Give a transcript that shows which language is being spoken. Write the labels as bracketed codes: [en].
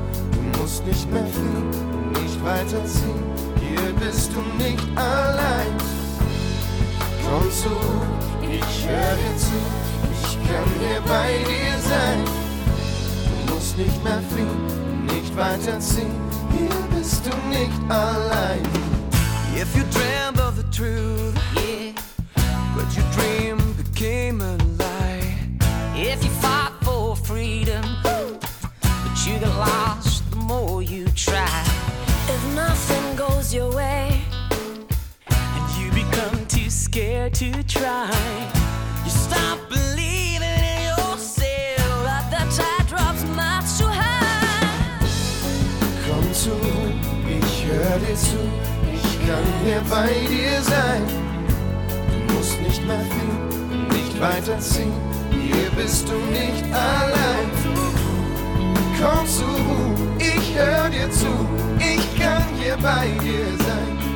[de] Du musst nicht mehr fliehen, nicht weiterziehen, hier bist du nicht allein. Komm zu, ich hör dir zu, ich kann hier bei dir sein. Du musst nicht mehr fliehen, nicht weiterziehen, hier bist du nicht allein. [en] If you dreamt of the truth, yeah, but your dream became a lie. If you fought for freedom, but you get lost the more you try. If nothing goes your way, and you become too scared to try, you stop believing in yourself, but the tide drops much too high. Come to me, [de] ich hör dir zu. Ich kann hier bei dir sein. Du musst nicht mehr fliehen, nicht weiterziehen, hier bist du nicht allein. Komm zu, ich hör dir zu, ich kann hier bei dir sein.